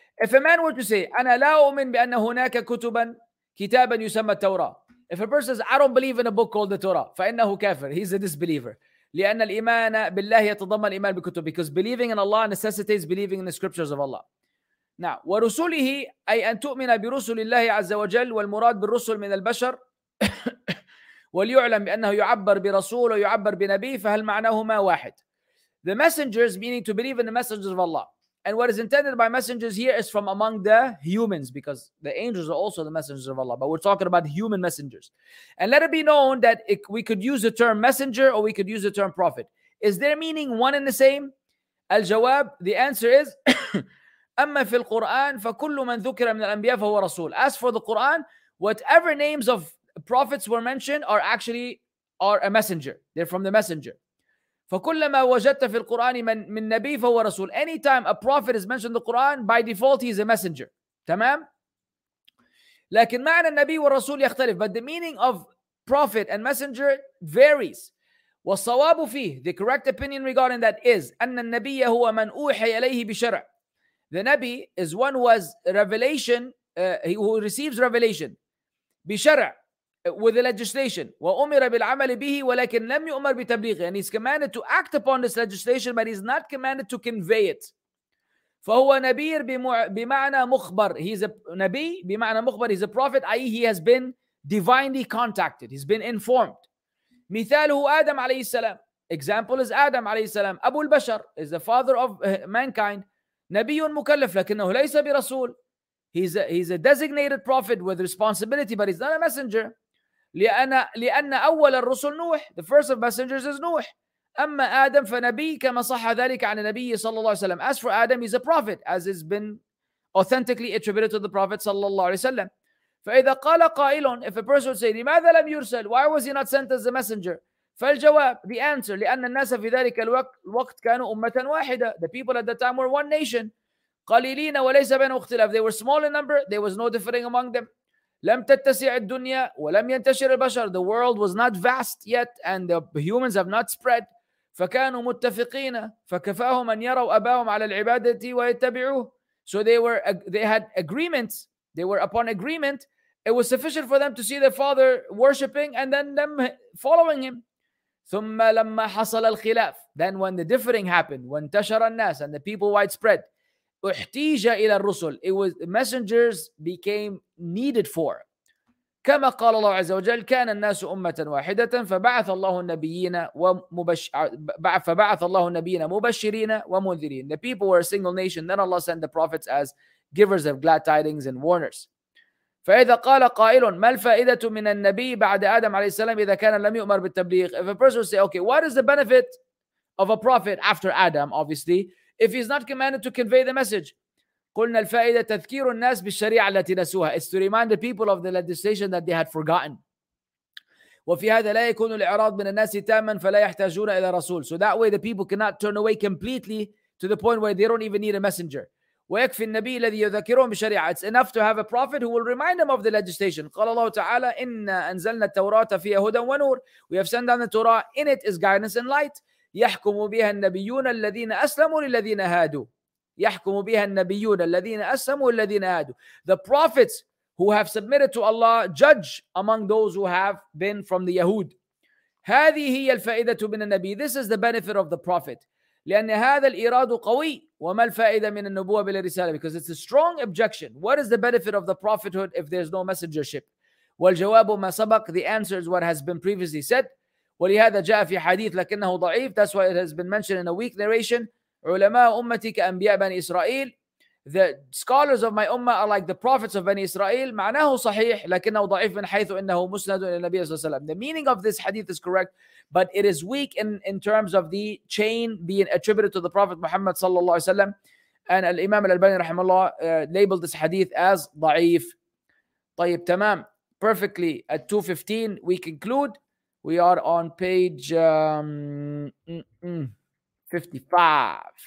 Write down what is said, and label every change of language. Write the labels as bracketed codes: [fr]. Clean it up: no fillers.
[en] If a man were to say, [ar] أنا لا أؤمن بأن هناك كتبا كتابا يسمى التوراة. [en] If a person says, I don't believe in a book called the Torah, [ar] فإنه كافر. [en] He's a disbeliever. [ar] لأن الإيمان بالله يتضمن الإيمان بكتب. [en] Because believing in Allah necessitates believing in the scriptures of Allah. [ar] Now, ورسله أي أن تؤمن برسل الله عز وجل والمراد بالرسل من البشر وليعلم بأنه يعبر برسول ويعبر بنبي فهل معناهما واحد. [en] The messengers meaning to believe in the messengers of Allah. And what is intended by messengers here is from among the humans, because the angels are also the messengers of Allah. But we're talking about human messengers. And let it be known that we could use the term messenger or we could use the term prophet. Is there meaning one and the same? Al-jawab, the answer is, [ar] أَمَّا فِي الْقُرْآنِ فَكُلُّ مَنْ ذُكِرَ مِنَ الْأَنْبِيَاءِ فَهُوَ رَسُولٌ. [en] As for the Quran, whatever names of prophets were mentioned are a messenger. They're from the messenger. [ar] فَكُلَّمَا وَجَدْتَ فِي الْقُرْآنِ مِنْ نَبِيٍّ فَهُوَ رَسُولٌ. [en] Anytime a prophet is mentioned in the Quran, by default he is a messenger. [ar] تمام؟ لكن معنى النبي والرسول يختلف. [en] But the meaning of prophet and messenger varies. [ar] والصواب فيه, [en] the correct opinion regarding that is, [ar] أن النبي هو من أوحي إليه بشرع. [en] The Nabi is one who has revelation, who receives revelation. [ar] بشرع. [en] With a legislation. [ar] وَأُمِرَ بِالْعَمَلِ بِهِ وَلَكِنْ لَمْ يُؤْمَرْ بِتَبْلِيغِهِ. [en] And he's commanded to act upon this legislation, but he's not commanded to convey it. [ar] فَهُوَ نَبِيرْ بِمَعْنَى مُخْبَرْ. [en] He's a Nabi, [ar] بِمَعْنَى مُخْبَرْ. [en] He's a prophet, i.e. he has been divinely contacted. He's been informed. [ar] مِثَالُهُ آدَمْ عَلَيْهِ السَّلَامِ. [en] Example is Adam [ar] عَلَيْهِ السَّلَامِ. أَبُو الْبَشَرْ [en] is the father of mankind. [ar] نَبِيٌ مُكَلَّفْ لَكِنَّهُ لَيْسَ بِرَسُولِ. [en] He's a designated prophet with responsibility, but he's not a messenger. [ar] لأن أول الرسل نوح. [en] The first of messengers is نوح. [ar] أما آدم فنبي كما صح ذلك عن النبي صلى الله عليه وسلم. [en] As for Adam, he's a prophet, as has been authentically attributed to the prophet صلى الله عليه وسلم. [ar] فإذا قال قائل, [en] if a person would say, [ar] لماذا لم يرسل? [en] Why was he not sent as a messenger? [ar] فالجواب, [en] the answer, [ar] لأن الناس في ذلك الوقت كانوا أمة واحدة. [en] The people at that time were one nation. [ar] قليلين وليس بينهم اختلاف. [en] They were small in number. There was no differing among them. [ar] لم تتسع الدنيا ولم ينتشر البشر. The world was not vast yet, and the humans have not spread. فكانوا متفقين. فكفاهم أن يروا أباهم على العبادة ويتبعوه. [en] So they had agreements. They were upon agreement. It was sufficient for them to see their father worshiping and then them following him. [ar] ثم لما حصل الخلاف. [en] Then when the differing happened, when [ar] انتشر الناس [en] and the people widespread. [ar] احتيج إلى الرسل. [en] It was messengers became needed for. [ar] كما قال الله عز وجل كان الناس أمة واحدة فبعث الله النبيين مبشرين ومنذرين. [en] The people were a single nation. Then Allah sent the prophets as givers of glad tidings and warners. [ar] فإذا قال قائل ما الفائدة من النبي بعد آدم عليه السلام إذا كان لم يؤمر بالتبليغ. [en] If a person would say, okay, what is the benefit of a prophet after Adam, obviously, if he's not commanded to convey the message. [ar] قلنا الفائدة تذكير الناس بالشريعة التي نسوها. [en] It's to remind the people of the legislation that they had forgotten. [ar] وفي هذا لا يكون الإعراض من الناس تاما فلا يحتاجون إلى رسول. [en] So that way the people cannot turn away completely to the point where they don't even need a messenger. [ar] ويكفي النبي الذي يذكرهم بالشريعة. [en] It's enough to have a prophet who will remind them of the legislation. [ar] قال الله تعالى إن أنزلنا التوراة فيها هدى ونور. [en] We have sent down the Torah. In it is guidance and light. [ar] يحكم بها النبيون الذين أسلموا للذين هادوا. يحكم بها النبيون الذين أسلموا للذين هادوا. [en] The prophets who have submitted to Allah judge among those who have been from the Yahud. [ar] هذه هي الفائدة من النبي. [en] This is the benefit of the prophet. [ar] لأن هذا الإيراد قوي. وما الفائدة من النبوة بلا رسالة. [en] Because it's a strong objection. What is the benefit of the prophethood if there's no messengership? [ar] والجواب ما سبق. [en] The answer is what has been previously said. [ar] ولهذا جاء في حديث لكنه ضعيف. [en] That's why it has been mentioned in a weak narration. [ar] علماء أمتي كأنبياء بني إسرائيل. [en] the scholars of my ummah are like the prophets of Bani Israel. [ar] معناه صحيح لكنه ضعيف من حيث إنه مسند إلى النبي صلى الله عليه وسلم. [en] The meaning of this hadith is correct, but it is weak in terms of the chain being attributed to the Prophet Muhammad صلى الله عليه وسلم. And Imam Al-Albani رحمه الله labeled this hadith as ضعيف. [ar] طيب تمام. [en] Perfectly at 215 we conclude. We are on page 55.